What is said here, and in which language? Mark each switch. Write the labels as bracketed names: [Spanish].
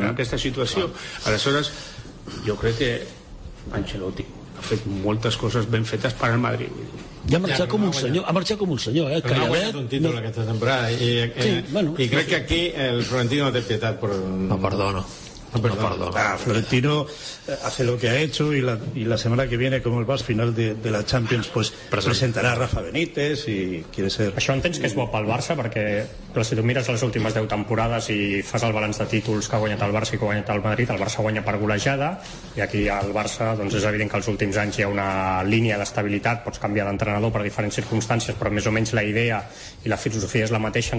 [Catalan] en aquesta situació. Clar. Aleshores, jo crec que Ancelotti ha fet moltes coses ben fetes per al Madrid. I ha marxat com un senyor, eh? Però no ha guanyat un títol aquesta temporada. I crec que aquí el Florentino té pietat. [Spanish] No perdono. Florentino hace lo que ha hecho y la semana que viene, como el vas final de la Champions, pues presentará a Rafa Benítez y quiere ser... [Catalan] Això entens que és bo pel Barça, perquè si tu mires les últimes 10 temporades i fas el balanç de títols que ha guanyat el Barça i que ha guanyat el Madrid, el Barça guanya per golejada, i aquí al Barça doncs és evident que els últims anys hi ha una línia d'estabilitat, pots canviar d'entrenador per diferents circumstàncies, però més o menys la idea i la filosofia és la mateixa.